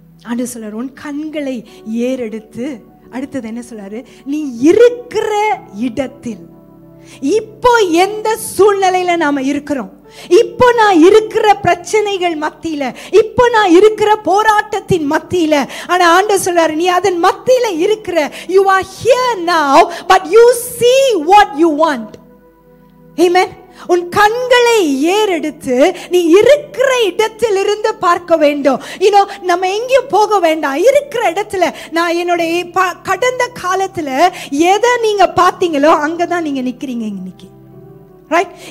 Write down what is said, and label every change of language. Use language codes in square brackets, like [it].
[ta] அடுத்து சொல்றாரு, உன் கண்களை ஏறெடுத்து. அடுத்தது என்ன சொல்றாரு, நீ இருக்கிற இடத்தில். இப்போ எந்த சூழ்நிலையில நாம இருக்கிறோம், இப்போ நான் இருக்கிற பிரச்சனைகள் மத்தியில, இப்போ நான் இருக்கிற போராட்டத்தின் மத்தியில, ஆனா ஆண்டவர் சொல்றாரு, நீ அதன் மத்தியில இருக்கிற. [en] You are here now, but you see what you want. Amen. [ta] உன் கண்களை ஏறெடுத்து நீ இருக்கிற இடத்திலிருந்து பார்க்க வேண்டும். இன்னும் நம்ம எங்கேயும் போக வேண்டாம், இருக்கிற இடத்துல. நான் என்னுடைய கடந்த காலத்துல எதை நீங்க பார்த்தீங்களோ அங்கதான் நீங்க நிக்கிறீங்க இன்னைக்கு. ரைட்.